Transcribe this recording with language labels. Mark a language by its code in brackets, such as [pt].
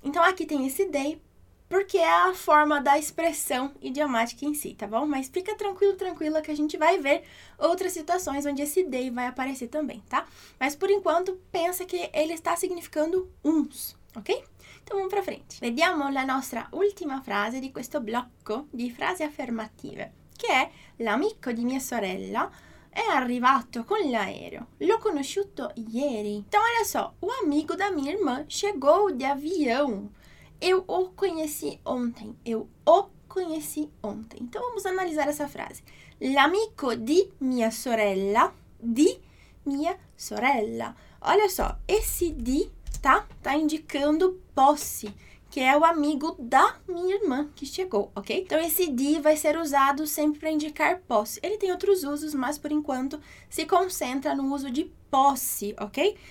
[pt] Então, aqui tem esse dei, porque é a forma da expressão idiomática em si, tá bom? Mas fica tranquilo, tranquila, que a gente vai ver outras situações onde esse dei vai aparecer também, tá? Mas por enquanto, pensa que ele está significando uns, ok? Então vamos para frente. [it] Vediamo la nostra ultima frase di questo blocco di frasi affermative, [pt] che è [it] l'amico di mia sorella è arrivato con l'aereo. L'ho conosciuto ieri. [pt] Então olha só, o amigo da minha irmã chegou de avião. Eu o conheci ontem. Eu o conheci ontem. Então vamos analisar essa frase. [it] L'amico di mia sorella, di mia sorella. [pt] Olha só, esse di tá indicando posse, que é o amigo da minha irmã que chegou, ok? Então esse di vai ser usado sempre para indicar posse. Ele tem outros usos, mas por enquanto se concentra no uso de posse, ok?